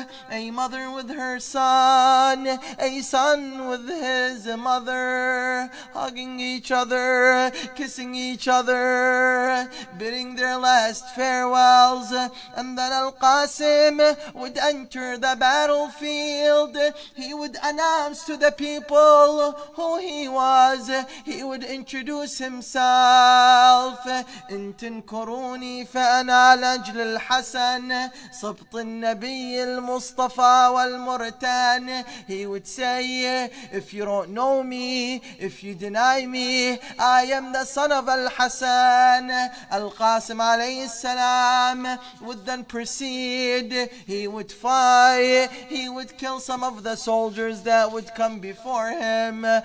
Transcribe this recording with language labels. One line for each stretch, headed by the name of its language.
English: A mother with her son, a son with his mother, hugging each other, kissing each other, bidding their last farewells. And then Al-Qasim would enter the battlefield. He would announce to the people who he was. He would introduce himself.
Arabic: إن تنكروني فأنا لأجل الحسن صبط النبي المصطفى والمرتان.
English: He would say, if you don't know me, if you deny me, I am the son of Al-Hasan. Al-Qasim alayhi salam would then proceed. He would fight. He would kill some of the soldiers that would come before him.